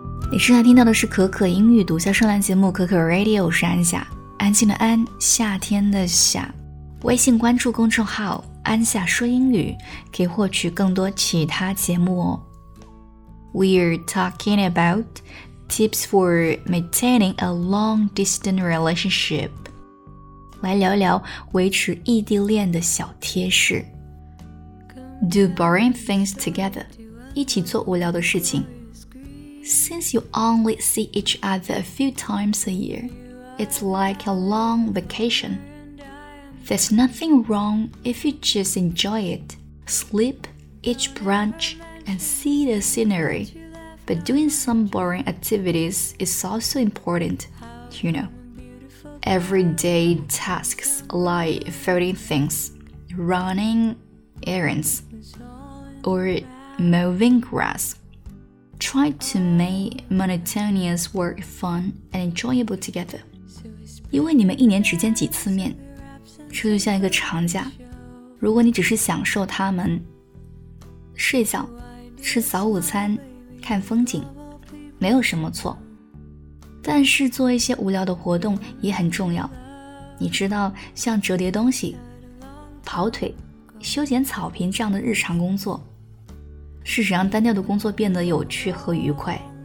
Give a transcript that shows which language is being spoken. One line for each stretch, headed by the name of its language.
Chinese: 你正在听到的是可可英语独家专栏节目可可 Radio， 我是安夏，安静的安，夏天的夏。微信关注公众号安夏说英语，可以获取更多其他节目哦。
English: We're talking about tips for maintaining a long-distance relationship.
Chinese: 来聊一聊维持异地恋的小贴士。
English: Do boring things together.
Chinese: 一起做无聊的事情。
English: Since you only see each other a few times a year, it's like a long vacation. There's nothing wrong if you just enjoy it. Sleep, eat brunch, and see the scenery. But doing some boring activities is also important, you know. Everyday tasks like folding things, running errands, or mowing grass. Try to make monotonous work fun and enjoyable together.
Chinese: 因为你们一年只见几次面，这就像一个长假。如果你只是享受他们，睡觉，吃早午餐，看风景，没有什么错。但是做一些无聊的活动也很重要。你知道，像折叠东西、跑腿、修剪草坪这样的日常工作，是怎样单调的工作变得有趣和愉快。